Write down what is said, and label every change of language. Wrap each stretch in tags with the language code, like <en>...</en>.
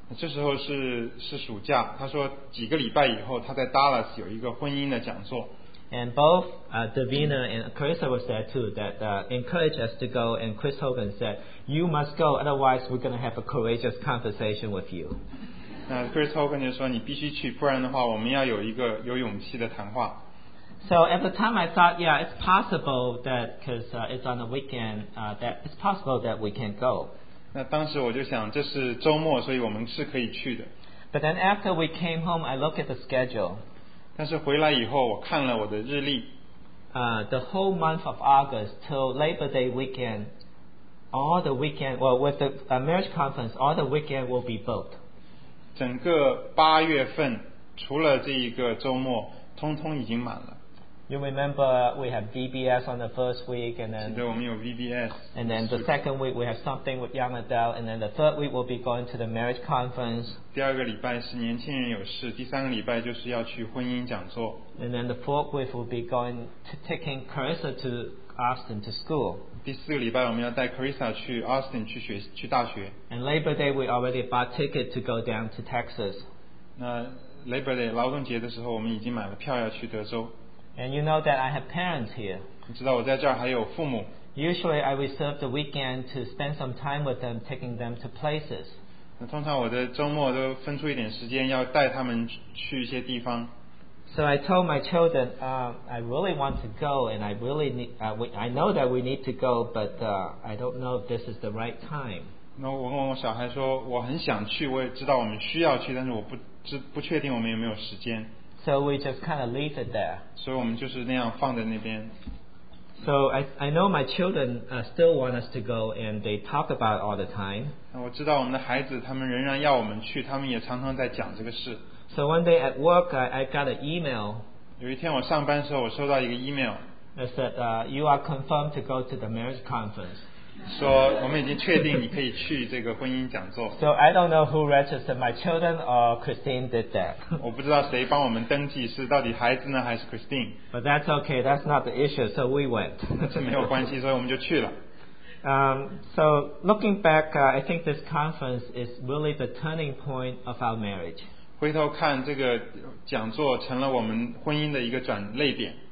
<zh>这时候是暑假，他说几个礼拜以后他在 Dallas 有一个婚姻的讲座。</zh> <en>And both Davina and Carissa was there too, that encouraged us to go. And Chris Hogan said, "You must go, otherwise we're going to have a courageous conversation with you."</en> <zh>Chris Hogan 就说你必须去，不然的话我们要有一个有勇气的谈话。</zh> <en>So at the time I thought, yeah, it's possible that because it's on the weekend, that it's possible that we can go.</en> <zh>那当时我就想这是周末，所以我们是可以去的。</zh> <en>But then after we came home, I looked at the schedule.</en> <zh>但是回来以后我看了我的日历。</zh> <en>The whole month of August till Labor Day weekend, all the weekend, well, with the marriage conference, all the weekend will be booked.</en> <zh>整个八月份除了这一个周末通通已经满了。</zh> <en>You remember we have VBS on the first week, and then,</en> <zh>记得我们有 VBS,</zh> <en>and then the second week we have something with young adult, and then the third week we'll be going to the marriage conference.</en> <zh>第二个礼拜是年轻人有事，第三个礼拜就是要去婚姻讲座。</zh> <en>And then the fourth week will be going to taking Carissa to Austin to school.</en> <zh>第四个礼拜我们要带 Carissa 去 Austin 去大学。</zh> <en>And Labor Day we already bought ticket to go down to Texas.</en> <zh>那 Labor Day 劳动节的时候，我们已经买了票要去德州。</zh> <en>And you know that I have parents here.</en> <zh>你知道我在这儿还有父母。</zh> <en>Usually I reserve the weekend to spend some time with them, taking them to places.</en> <zh>通常我的周末都分出一点时间要带他们去一些地方。</zh> <en>So I told my children, I really want to go, and I really need, I know that we need to go, but I don't know if this is the right time.</en> <zh>那我跟我小孩说，我很想去，我也知道我们需要去，但是我不确定我们有没有时间。</zh> <en>So we just kind of leave it there.</en> <zh>所以我们就是那样放在那边。</zh> <en>So I know my children still want us to go, and they talk about it all the time.</en> <zh>我知道我们的孩子，他们仍然要我们去，他们也常常在讲这个事。</zh> <en>So one day at work, I got an email.</en> <zh>有一天我上班的时候，我收到一个 email.</zh> <en>It said, "You are confirmed to go to the marriage conference."</en> <zh>说我们已经确定你可以去这个婚姻讲座。</zh> <en>So I don't know who registered, my children or Christine did that.</en> <zh>我不知道谁帮我们登记，是到底孩子呢还是 Christine?</zh> <en>But that's okay, that's not the issue, so we went.</en> <zh>这没有关系，所以我们就去了。</zh> <en>So looking back, I think this conference is really the turning point of our marriage.</en> <zh>回头看这个讲座成了我们婚姻的一个转捩点。</zh>